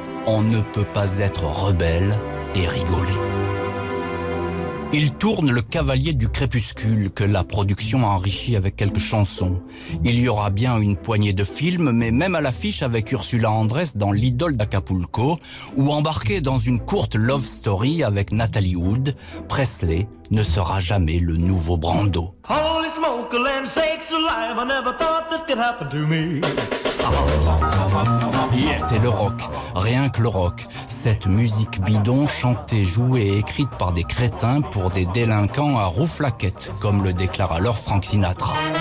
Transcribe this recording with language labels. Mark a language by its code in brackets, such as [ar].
[fr] On ne peut pas être rebelle et rigoler. Il tourne Le Cavalier du Crépuscule, que la production a enrichi avec quelques chansons. Il y aura bien une poignée de films, mais même à l'affiche avec Ursula Andress dans L'Idole d'Acapulco, ou embarqué dans une courte love story avec Natalie Wood, Presley ne sera jamais le nouveau Brando. [en] Holy smoke, land sakes alive, I never thought this could happen to me. Yeah. [fr] C'est le rock, rien que le rock. Cette musique bidon chantée, jouée et écrite par des crétins pour des délinquants à rouflaquettes, comme le déclare alors Frank Sinatra.